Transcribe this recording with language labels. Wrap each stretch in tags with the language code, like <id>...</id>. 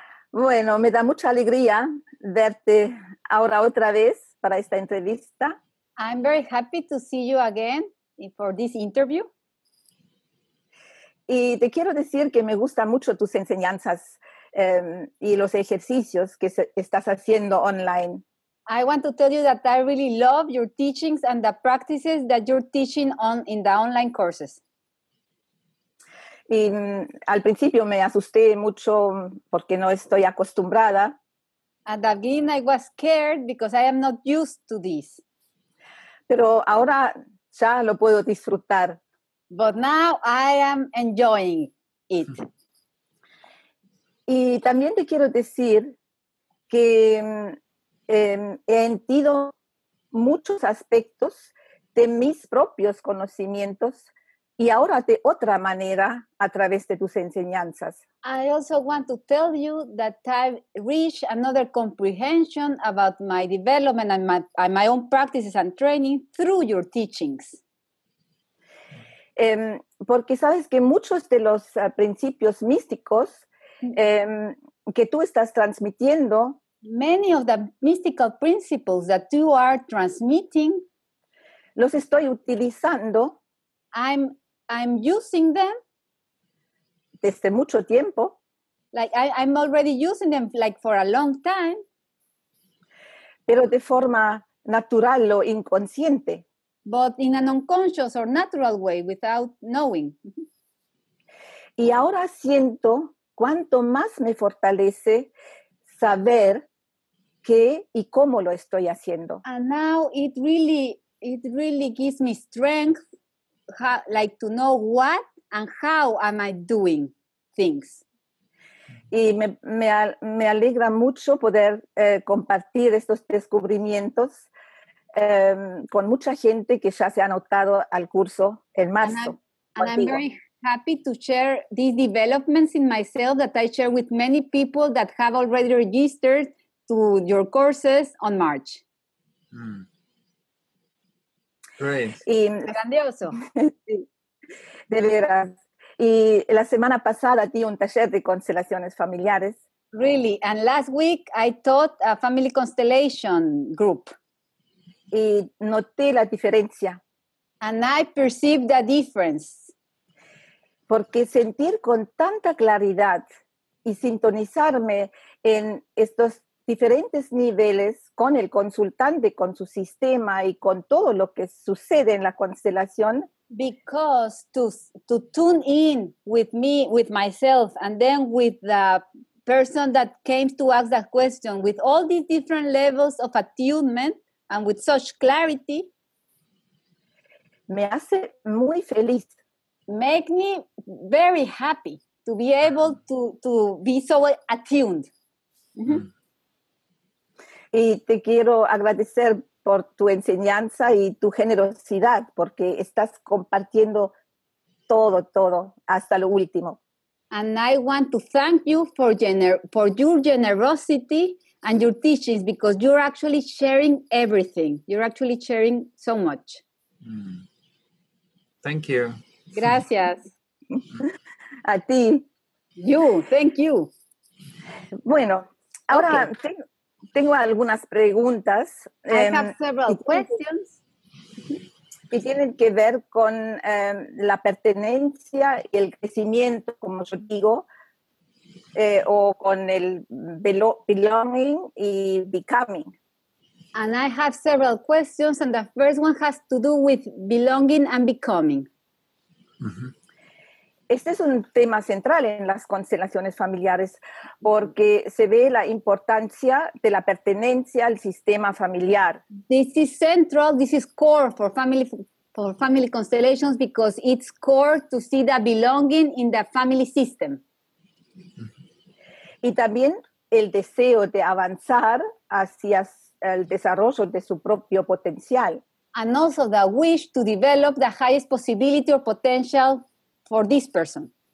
<es>Bueno, me da mucha alegría verte ahora otra vez para esta entrevista.</es> <en>I'm very happy to see you again for this interview.</en> <es>Y te quiero decir que me gustan mucho tus enseñanzas y los ejercicios que estás haciendo online.</es> <en>I want to tell you that I really love your teachings and the practices that you're teaching on in the online courses.</en> <es>Y al principio me asusté mucho porque no estoy acostumbrada.</es> <en>At the beginning, I was scared because I am not used to this.</en> <es>Pero ahora ya lo puedo disfrutar.</es> <en>But now I am enjoying it.</en> <es>Y también te quiero decir que he sentido muchos aspectos de mis propios conocimientos. Y ahora de otra manera, a través de tus enseñanzas.</es> <en>I also want to tell you that I've reached another comprehension about my development and my own practices and training through your teachings.</en> <es>Porque sabes que muchos de los principios místicos que tú estás transmitiendo</es> <en>Many of the mystical principles that you are transmitting,</en> <es>los estoy utilizando</es> <en>I'm using them.</en> <es>desde mucho tiempo,</es> <en>Like I'm already using them like for a long time.</en> <es>pero de forma natural o inconsciente.</es> <en>But in an unconscious or natural way without knowing.</en> <es>Y ahora siento cuánto más me fortalece saber qué y cómo lo estoy haciendo.</es> <en>And now it really gives me strength how, like to know what and how am I doing things.</en> <es>Y me alegra mucho poder compartir estos descubrimientos con mucha gente que ya se ha anotado al curso en marzo</es> <en>And I'm</en> <es>contigo.</es> <en>very happy to share these developments in myself that I share with many people that have already registered to your courses on March. Great.</en> <es>Grandioso. De veras. Y la semana pasada di un taller de constelaciones familiares.</es> <en>Really, and last week I taught a family constellation group.</en> <es>Y noté la diferencia.</es> <en>And I perceived the difference.</en> <es>Porque sentir con tanta claridad y sintonizarme en estos diferentes niveles con el consultante, con su sistema y con todo lo que sucede en la constelación.</es> <en>Because to tune in with me, with myself, and then with the person that came to ask that question, with all these different levels of attunement and with such clarity,</en> <es>Me hace muy feliz.</es> <en>make me very happy to be able to be so attuned.</en> <es>Y te quiero agradecer por tu enseñanza y tu generosidad, porque estás compartiendo todo, todo, hasta lo último.</es> <en>And I want to thank you for your generosity and your teachings because you're actually sharing everything. You're actually sharing so much. Thank you.</en> <es>Gracias. A ti.</es> <en>You, thank you.</en> <es>Bueno,</es> <en>Okay.</en> <es>ahora tengo algunas preguntas</es> <en>I have several questions.</en> <es>que tienen que ver con la pertenencia y el crecimiento, como yo digo, o con el belonging y becoming.</es> <en>And I have several questions, and the first one has to do with belonging and becoming.</en> <es>Este es un tema central en las constelaciones familiares porque se ve la importancia de la pertenencia al sistema familiar.</es> <en>This is central, this is core for family constellations because it's core to see the belonging in the family system.</en> <es>Y también el deseo de avanzar hacia el desarrollo de su propio potencial.</es> <en>And also the wish to develop the highest possibility or potential for this person.</en>